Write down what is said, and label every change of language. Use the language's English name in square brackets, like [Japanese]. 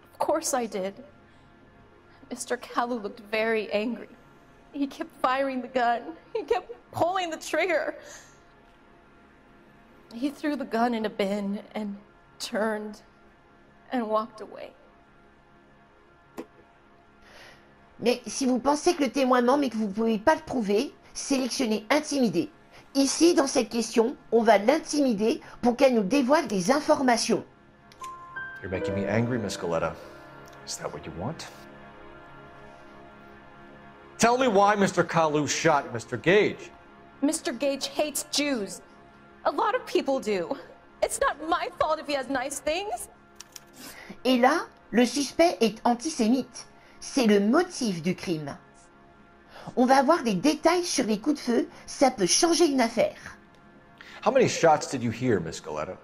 [English] Of course I did. Mr. Kalu looked very angry. He kept firing the gun. He kept pulling the trigger. He threw the gun in a bin and turned and walked away. [French] Mais si vous pensez que le témoin ment mais que vous ne pouvez pas le prouver, sélectionnez intimider. Ici, dans cette question, on va l'intimider pour qu'elle nous dévoile des informations. [English] You're making me angry, Miss Galetta. Is that what you want? Tell me why Mr. Kalu shot Mr. Gage. Mr. Gage hates Jews. A lot of people do. It's not my fault if he has nice things. [French] Et là, le suspect est antisémite. C'est le motif du crime. On va avoir des détails sur les coups de feu. Ça peut changer une affaire. [English] How many shots did you hear, Miss Galetta?